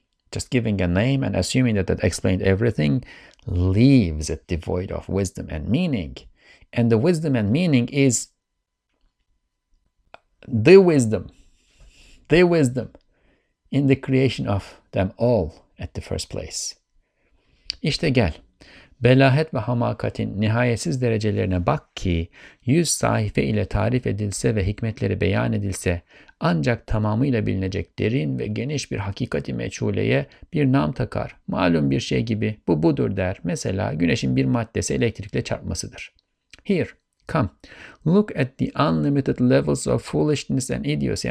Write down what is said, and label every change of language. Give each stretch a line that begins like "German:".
English: Just giving a name and assuming that that explained everything leaves it devoid of wisdom and meaning. And the wisdom and meaning is the wisdom in the creation of them all at the first place.
Turkish: İşte gel, belahet ve hamakatin nihayetsiz derecelerine bak ki, 100 sayfa ile tarif edilse ve hikmetleri beyan edilse, ancak tamamıyla bilinecek derin ve geniş bir hakikati meçhuleye bir nam takar. Malum bir şey gibi, bu budur der. Mesela güneşin bir maddesi elektrikle çarpmasıdır.
English: Here, come, look at the unlimited levels of foolishness and idiocy.